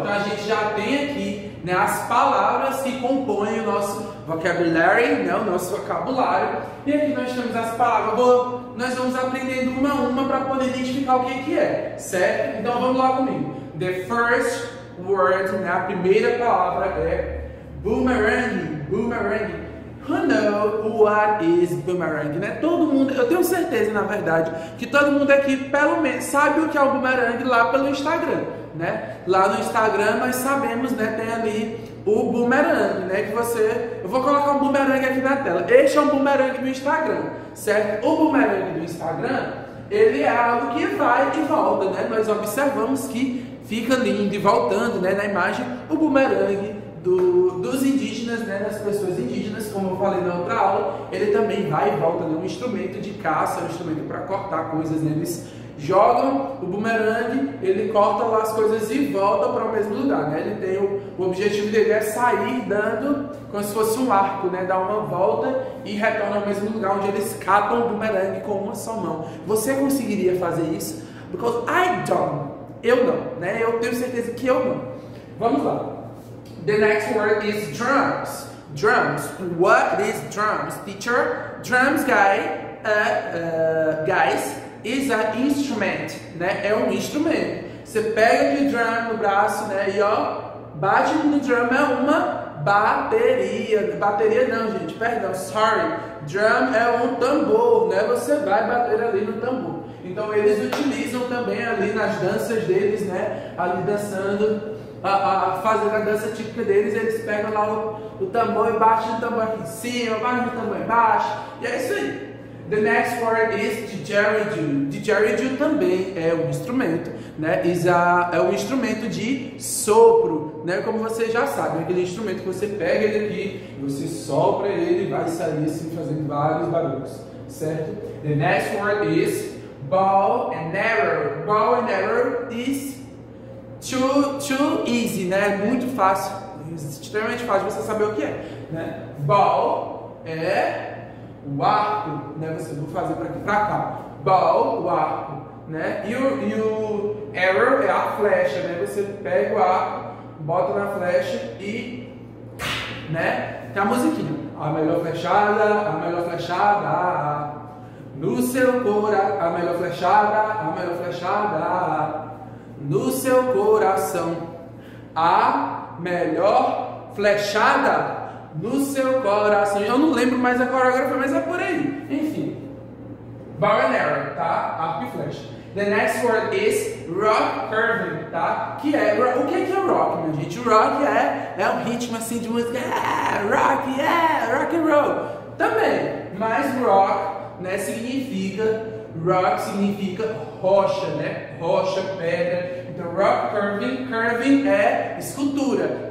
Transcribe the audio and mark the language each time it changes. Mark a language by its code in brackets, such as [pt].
[pt] Então a gente já tem aqui, né, as palavras que compõem o nosso vocabulary, né, o nosso vocabulário. E aqui nós temos as palavras. Bom, nós vamos aprendendo uma a uma para poder identificar o que é, certo? Então vamos lá comigo. [en] The first word, [pt] né, a primeira palavra é boomerang. Boomerang. [en] Who knows what is boomerang? Né? [pt] Todo mundo, eu tenho certeza, na verdade, que todo mundo aqui, pelo menos, sabe o que é o boomerang lá pelo Instagram. Né? Lá no Instagram nós sabemos, né, tem ali o boomerang, né, que você... Eu vou colocar um boomerang aqui na tela. Este é um boomerang do Instagram, certo? O boomerang do Instagram, ele é algo que vai e volta, né? Nós observamos que fica lindo e voltando, né, na imagem, o boomerang dos indígenas, né, das pessoas indígenas, como eu falei na outra aula, ele também vai e volta, né? Um instrumento de caça, um instrumento para cortar coisas, neles, né? Jogam o bumerangue, ele corta lá as coisas e volta para o mesmo lugar, né? Ele tem o objetivo dele é sair dando como se fosse um arco, né? Dar uma volta e retorna ao mesmo lugar onde eles catam o bumerangue com uma só mão. Você conseguiria fazer isso? [en] Because I don't. [pt] Eu não, né? Eu tenho certeza que eu não. Vamos lá. [en] The next word is drums. Drums. What is drums, teacher? Drums, guys. is an instrument, [pt] né? É um instrumento. Você pega aquele drum no braço, né? E ó, bate no drum, é uma bateria. Bateria não, gente, perdão, sorry. Drum é um tambor, né? Você vai bater ali no tambor. Então eles utilizam também ali nas danças deles, né? Ali dançando, fazendo a dança típica deles, eles pegam lá o tambor e batem o tambor aqui em cima, batem o tambor embaixo, e é isso aí. [en] The next word is didgeridoo. [pt] Didgeridoo também é um instrumento, né? É um instrumento de sopro, né? Como vocês já sabem, aquele instrumento que você pega ele aqui, você sopra ele e vai sair assim fazendo vários barulhos, certo? [en] The next word is bow and arrow. Bow and arrow is too easy, [pt] né? É muito fácil, extremamente fácil você saber o que é, né? Bow é o arco, né? Você vai fazer para aqui, para cá. Bow, o arco, né? E o arrow é a flecha, né? Você pega o arco, bota na flecha e, né? Tem a musiquinha. A melhor flechada no seu coração. A melhor flechada no seu coração. A melhor flechada no seu coração. Eu não lembro mais a coreografia, mas é por aí. Enfim, bow and arrow, tá? Arco e flecha. [en] The next word is rock curving, tá? [pt] Que é, o que é rock, minha gente? Rock é um ritmo assim de música. Rock, rock and roll também, mas rock, né, significa, rock significa rocha, né? Rocha, pedra. Então rock curving, curving é escultura.